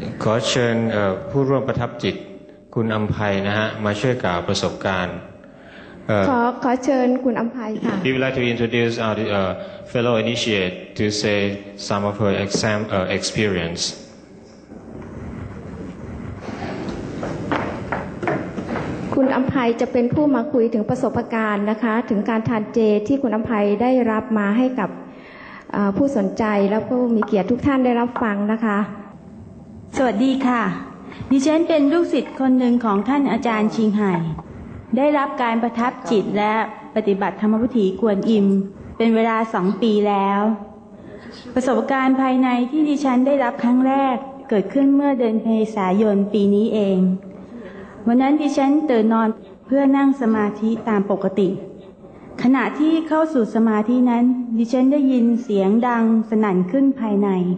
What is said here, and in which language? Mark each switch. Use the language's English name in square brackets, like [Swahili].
[Thai] ขอเชิญผู้ร่วมประทับจิตคุณอัมภัยนะฮะมาช่วยกล่าวประสบการณ์ ขอเชิญคุณอัมภัยค่ะ [English] We would like to introduce our fellow initiate to say some of her experience. [Thai] คุณอัมภัยจะเป็นผู้มาคุยถึงประสบการณ์นะคะถึงการทานเจที่คุณอัมภัยได้รับมาให้กับผู้สนใจและผู้มีเกียรติทุกท่านได้รับฟังนะคะ สวัสดีค่ะดิฉันเป็นลูกศิษย์คนหนึ่งของท่านอาจารย์ชิงไห่ได้รับการประทับจิตและปฏิบัติธรรมวิถีกวนอิมเป็นเวลา2ปีแล้วประสบการณ์ภายในที่ดิฉันได้รับครั้งแรกเกิดขึ้นเมื่อเดือนเมษายนปีนี้เองวันนั้นดิฉันตื่นนอนเพื่อนั่งสมาธิตามปกติขณะที่เข้าสู่สมาธินั้นดิฉันได้ยินเสียงดังสนั่นขึ้นภายใน